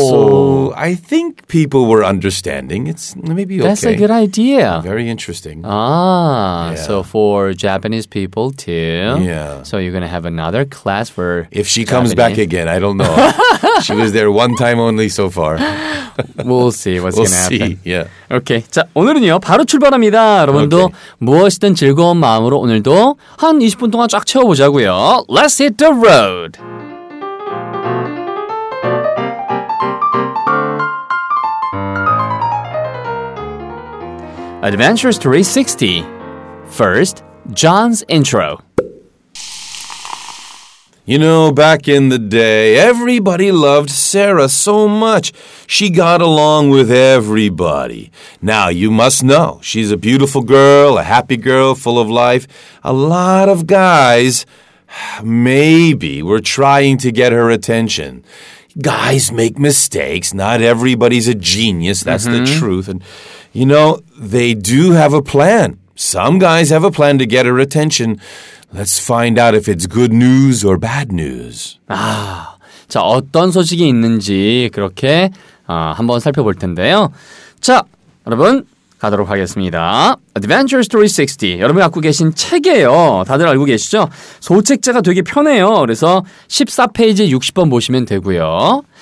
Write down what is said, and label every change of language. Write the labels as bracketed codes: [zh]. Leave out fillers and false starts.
[en] So I think people were understanding. It's maybe okay. That's a good idea. Very interesting. Ah, yeah. So for Japanese people too. Yeah. So you're going to have another class for If she comes Japanese. Back again, I don't know. she was there one time only so far. We'll see what's we'll going to happen. We'll see, yeah. Okay. [ko] 자, 오늘은요, 바로 출발합니다. 여러분도 okay. 무엇이든 즐거운 마음으로 오늘도 한 20분 동안 쫙 채워보자고요. [en] Let's hit the road. Adventures 360. First, John's intro. You know, back in the day, everybody loved Sarah so much. She got along with everybody. Now, you must know, she's a beautiful girl, a happy girl, full of life. A lot of guys, maybe, were trying to get her attention. Guys make mistakes. Not everybody's a genius. That's mm-hmm. the truth. And, you know, they do have a plan. Some guys have a plan to get her attention. Let's find out if it's good news or bad news. [ko] 아, 자, 어떤 소식이 있는지 그렇게 한번 살펴볼 텐데요. 자, 여러분 가도록 하겠습니다. [en] Adventure Story 60. [ko] 여러분이 갖고 계신 책이에요. 다들 알고 계시죠? 소책자가 되게 편해요. 그래서 14페이지에 60번 보시면 되고요.